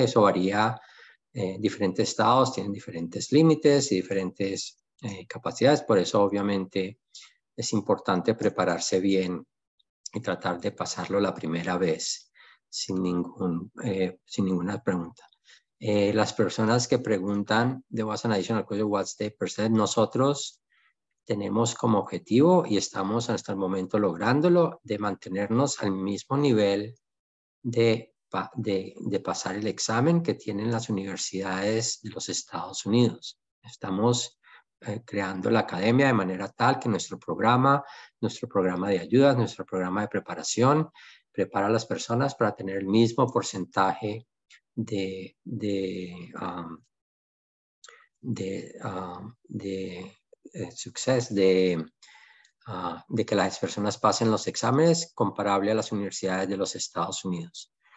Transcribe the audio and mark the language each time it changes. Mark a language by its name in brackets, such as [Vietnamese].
[Spanish] Eso varía, diferentes estados tienen diferentes límites y diferentes capacidades, por eso obviamente es importante prepararse bien y tratar de pasarlo la primera vez sin ninguna pregunta. Las personas que preguntan, [English] there was an additional question, what's the percentage? [Spanish] Nosotros tenemos como objetivo, y estamos hasta el momento lográndolo, de mantenernos al mismo nivel de pasar el examen que tienen las universidades de los Estados Unidos. Estamos creando la academia de manera tal que nuestro programa de ayudas, nuestro programa de preparación, prepara a las personas para tener el mismo porcentaje de que las personas pasen los exámenes comparable a las universidades de los Estados Unidos.